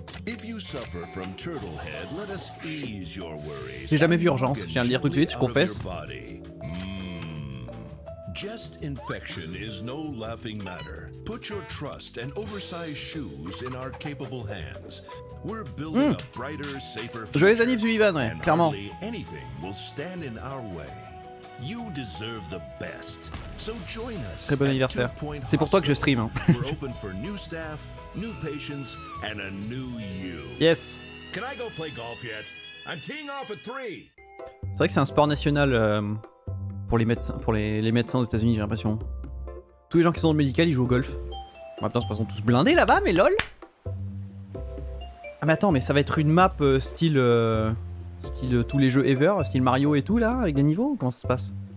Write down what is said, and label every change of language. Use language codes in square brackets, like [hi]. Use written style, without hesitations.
[en] If you suffer from turtle head, let us ease your worries. [fr] J'ai jamais vu Urgence, je viens de lire tout de suite, je confesse. [en] Jest infection is no laughing matter. Put your trust and oversized shoes in our capable hands. We're building a brighter, safer future. [fr] Joyeux anniversaire, Sullivan, ouais, clairement. [en] And hardly anything will stand in our way. You deserve the best. So join us. [fr] Très bon anniversaire. C'est pour toi que je stream. Hein. [en] We're open for new staff, new patients, and a new you. Yes. Can I go play golf yet? I'm teeing off at 3. [fr] C'est vrai que c'est un sport national pour les médecins, pour les médecins aux États-Unis, j'ai l'impression. Tous les gens qui sont dans le médical, ils jouent au golf. Bon, maintenant, ils sont tous blindés là-bas, mais lol. Ah mais attends, mais ça va être une map style. Style tous les jeux ever, style Mario et tout là, avec des niveaux, comment ça se passe?